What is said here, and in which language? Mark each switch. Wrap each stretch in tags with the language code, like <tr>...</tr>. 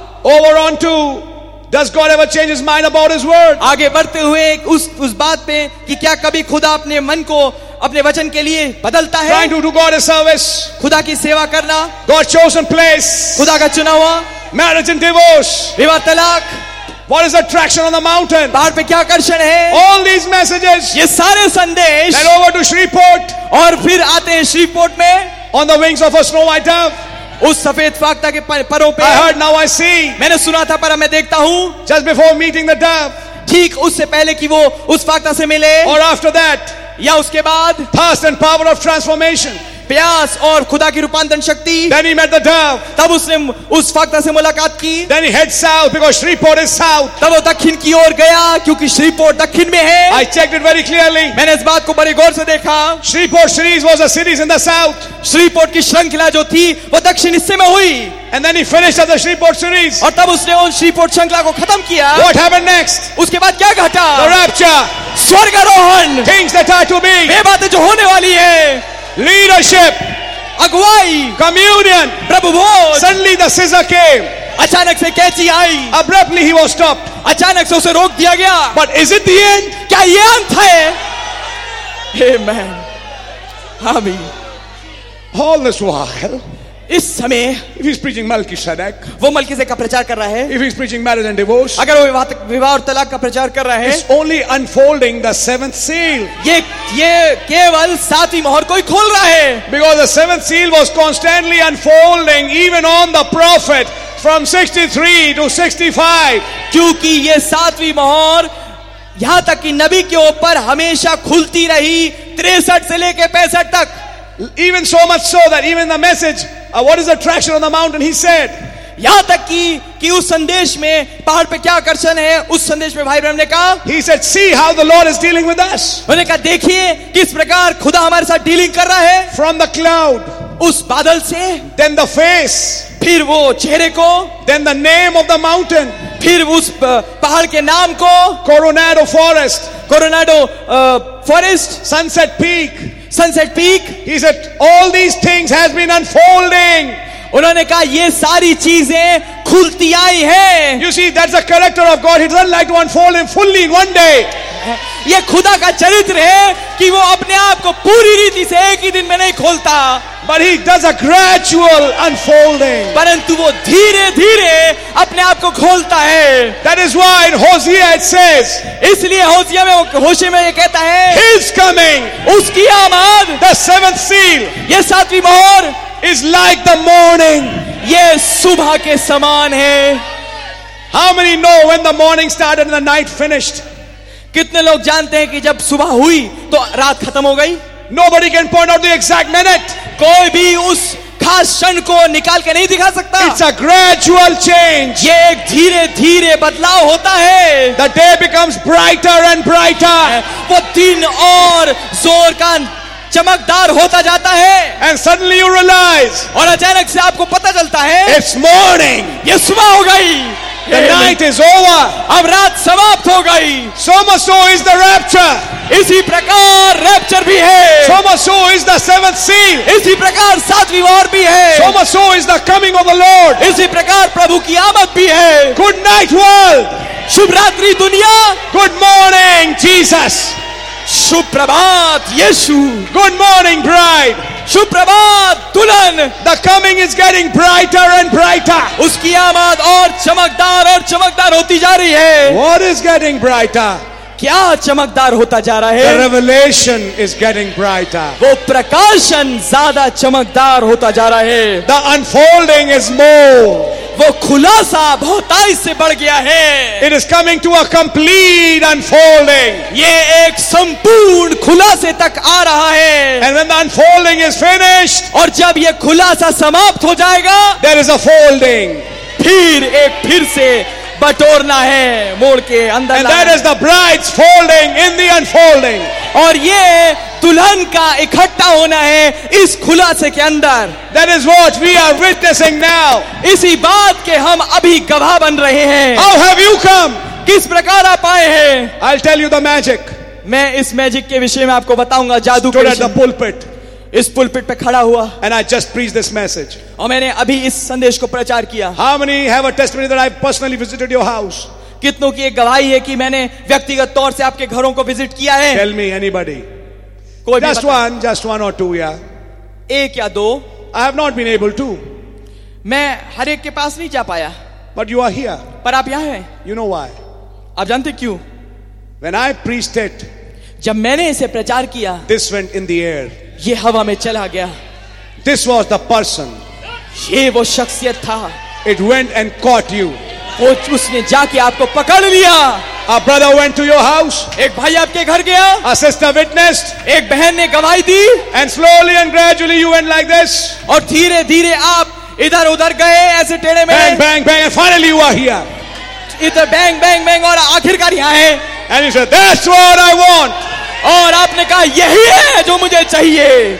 <en>Over on to, does God ever change his mind about his word?</en> <hi>आगे बढ़ते हुए उस बात पे कि क्या कभी खुदा अपने मन को अपने वचन के लिए बदलता है?</hi> <en>Trying to do God a service.</en> <hi>खुदा की सेवा करना.</hi> <en>God chosen place.</en> <hi>खुदा का चुना हुआ.</hi> <en>Marriage and divorce.</en> <hi>विवाह तलाक.</hi> <en>What is attraction on the mountain?</en> <hi>पहाड़ पे क्या आकर्षण है?</hi> <en>All these messages.</en> <hi>ये सारे संदेश.</hi> <en>Then over to Shreveport.</en> <hi>और फिर आते हैं Shreveport में.</hi> <en>On the wings of a snow white dove.</en> <hi>उस सफेद फाख्ता के परों पे.</hi> <en>I heard, now I see.</en> <hi>मैंने सुना था पर मैं देखता हूँ.</hi> <en>Just before meeting the dove.</en> <hi>ठीक उससे पहले कि वो उस फाख्ता से मिले.</hi> <en>Or after that.</en> <hi>या उसके बाद.</hi> <en>Thirst and power of transformation.</en> <hi>प्यास और खुदा की रूपांतरण शक्ति.</hi> <en>Then he met the dove.</en> <hi>तब उसने उस फाख्ता से मुलाकात की.</hi> <en>Then he head south because Shreveport is south.</en> <hi>तब वो दक्षिण की ओर गया क्योंकि Shreveport दक्षिण में है.</hi> <en>I checked it very clearly.</en> <hi>मैंने इस बात को बड़े गौर से देखा.</hi> <en>Shreveport series was a series in the south.</en> <hi>Shreveport की श्रृंखला जो थी वो दक्षिण हिस्से में हुई.</hi> <en>And then he finished as a Shreveport series.</en> <hi>और तब उसने उन Shreveport श्रृंखला को खत्म किया.</hi> <en>What happened next?</en> <hi>उसके बाद क्या घटा?</hi> <en>The rapture.</en> <hi>स्वर्गारोहण.</hi> <en>Things that are to be.</en> <hi>वे बातें जो होने वाली है.</hi> <en>Leadership.</en> <hi>अगुवाई.</hi> <en>Communion.</en> <hi>प्रभुभोज.</hi> <en>Suddenly the scissor came.</en> <hi>अचानक से कैंची आई.</hi> <en>Abruptly he was stopped.</en> <hi>अचानक से उसे रोक दिया गया.</hi> <en>But is it the end?</en> <hi>क्या ये अंत है? Amen. आमीन.</hi> <en>All this while.</en> <hi>इस समय.</hi> <en>If he's preaching Melchizedek.</en> <hi>वो मलकीसेदक का प्रचार कर रहा है.</hi> <en>If he's preaching marriage and divorce.</en> <hi>अगर वो विवाह और तलाक का प्रचार कर रहा है.</hi> <en>It's only unfolding the seventh seal.</en> <hi>ये केवल सातवीं मोहर को ही खोल रहा है.</hi> <en>Because the seventh seal was constantly unfolding even on the prophet from 63 to 65.</en> <hi>क्योंकि ये सातवीं मोहर यहाँ तक कि नबी के ऊपर हमेशा खुलती रही 63 से लेके 65 तक.</hi> <en>Even so much so that even the message, what is the attraction on the mountain? He said.</en> <hi>यहाँ तक कि उस संदेश में पहाड़ पे क्या आकर्षण है? उस संदेश में भाई ब्रह्म ने कहा.</hi> <en>He said, see how the Lord is dealing with us.</en> <hi>उन्होंने कहा देखिए किस प्रकार खुदा हमारे साथ डीलिंग कर रहा है.</hi> <en>From the cloud.</en> <hi>उस बादल से.</hi> <en>Then the face.</en> <hi>फिर वो चेहरे को.</hi> <en>Then the name of the mountain.</en> <hi>फिर उस पहाड़ के नाम को.</hi> <en>Coronado Forest. Coronado Forest. Sunset Peak. Sunset Peak. He said, all these things has been unfolding.</en> <hi>उन्होंने कहा ये सारी चीजें खुलती आई हैं.</hi> <en>You see, that's the character of God. He doesn't like to unfold him fully in one day.</en> <hi>ये खुदा का चरित्र है कि वो अपने आप को पूरी रीति से एक ही दिन में नहीं खोलता.</hi> <en>But he does a gradual unfolding.</en> <hi>परंतु वो धीरे-धीरे अपने आप को खोलता है.</hi> <en>That is why in Hosea it says.</en> <hi>इसलिए होशिया में ये कहता है.</hi> <en>His coming.</en> <hi>उसकी आमद.</hi> <en>The seventh seal.</en> <hi>ये सातवीं मोहर.</hi> <en>Is like the morning.</en> <hi>ये सुबह के समान है.</hi> <en>How many know when the morning started and the night finished?</en> <hi>कितने लोग जानते हैं कि जब सुबह हुई तो रात खत्म हो गई?</hi> <en>Nobody can point out the exact minute.</en> <hi>कोई भी उस खास क्षण को निकाल के नहीं दिखा सकता.</hi> <en>It's a gradual change.</en> <hi>ये एक धीरे-धीरे बदलाव होता है.</hi> <en>The day becomes brighter and brighter.</en> <hi>वो दिन और जोर का चमकदार होता जाता है.</hi> <en>And suddenly you realize.</en> <hi>और अचानक से आपको पता चलता है.</hi> <en>It's morning.</en> <hi>ये सुबह हो गई.</hi> <en>The night is over.</en> <hi>अब रात समाप्त हो गई.</hi> <en>So much so is the rapture.</en> <hi>इसी प्रकार रैप्चर भी है.</hi> <en>So much so is the seventh seal.</en> <hi>इसी प्रकार सातवीं मोहर भी है.</hi> <en>So much so is the coming of the Lord.</en> <hi>इसी प्रकार प्रभु की आमद भी है.</hi> <en>Good night world.</en> <hi>शुभ रात्रि दुनिया.</hi> <en>Good morning Jesus.</en> <hi>शुभ प्रभात यीशु.</hi> <en>Good morning bride.</en> <hi>शुभ प्रभात दुल्हन.</hi> <en>The coming is getting brighter and brighter.</en> <hi>उसकी आमद और चमकदार होती जा रही है.</hi> <en>What is getting brighter?</en> <hi>क्या चमकदार होता जा रहा है?</hi> <en>The revelation is getting brighter.</en> <hi>वो प्रकाशन ज्यादा चमकदार होता जा रहा है.</hi> <en>The unfolding is more.</en> <hi>वो खुलासा बहुताई से बढ़ गया है.</hi> <en>It is coming to a complete unfolding.</en> <hi>ये एक संपूर्ण खुलासे तक आ रहा है.</hi> <en>And when the unfolding is finished.</en> <hi>और जब ये खुलासा समाप्त हो जाएगा.</hi> <en>There is a folding.</en> <hi>फिर से बटोरना है मोड़ के अंदर</hi> <en>and that is the bride's folding in the unfolding.</en> <hi>और ये दुल्हन का इकट्ठा होना है इस खुलासे के अंदर.</hi> <en>That is what we are witnessing now.</en> <hi>इसी बात के हम अभी गवाह बन रहे हैं.</hi> <en>How have you come?</en> <hi>किस प्रकार आप आए हैं?</hi> <en>I'll tell you the magic.</en> <hi>मैं इस मैजिक के विषय में आपको बताऊंगा जादू के विषय में.</hi> <en>Stood at the pulpit.</en> <hi>इस पुलपिट पे खड़ा हुआ.</hi> <en>And I just preached this message.</en> <hi>और मैंने अभी इस संदेश को प्रचार किया.</hi> <en>How many have a testimony that I personally visited your house?</en> <hi>कितनों की एक गवाही है कि मैंने व्यक्तिगत तौर से आपके घरों को विजिट किया है?</hi> <en>Tell me anybody.</en> <hi>कोई भी</hi> <en>just one or two, yeah.</en> <hi>एक या दो.</hi> <en>I have not been able to.</en> <hi>मैं हर एक के पास नहीं जा पाया.</hi> <en>But you are here.</en> <hi>पर आप यहाँ हैं.</hi> <en>You know why?</en> <hi>आप जानते क्यों?</hi> <en>When I preached it.</en> <hi>जब मैंने इसे प्रचार किया.</hi> <en>This went in the air.</en> <hi>ये हवा में चला गया.</hi> <en>This was the person.</en> <hi>ये वो शख्सियत था.</hi> <en>It went and caught you.</en> <hi>वो उसने जाके आपको पकड़ लिया.</hi> <en>A brother went to your house.</en> <hi>एक भाई आपके घर गया.</hi> <en>A sister witnessed.</en> <hi>एक बहन ने गवाही दी.</hi> <en>And slowly and gradually you went like this.</en> <hi>और धीरे धीरे आप इधर उधर गए ऐसे टेढ़े में.</hi> <en>Bang bang bang and finally you are here.</en> <hi>इधर bang bang bang और आखिरकार यहाँ है.</hi> <en>And you said that's what I want.</en> <hi>और आपने कहा यही है जो मुझे चाहिए.</hi>